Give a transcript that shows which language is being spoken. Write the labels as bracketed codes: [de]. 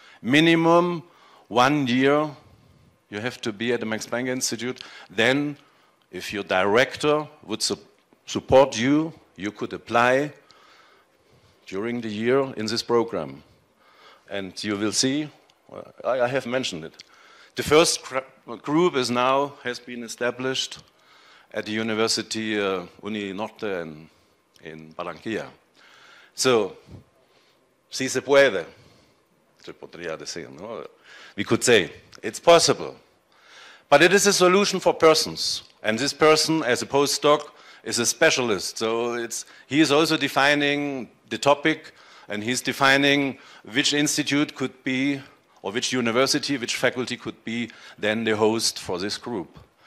[en] Minimum 1 year you have to be at the Max Planck Institute, then if your director would support you, you could apply during the year in this program. And you will see, I have mentioned it. The first group is now has been established at the University Uni Norte in Barranquilla. [es] So, si se puede, se podría decir, no? [en] We could say, it's possible. But it is a solution for persons. And this person, as a postdoc, is a specialist. So he is also defining the topic, and he's defining which institute could be, or which university, which faculty could be then the host for this group.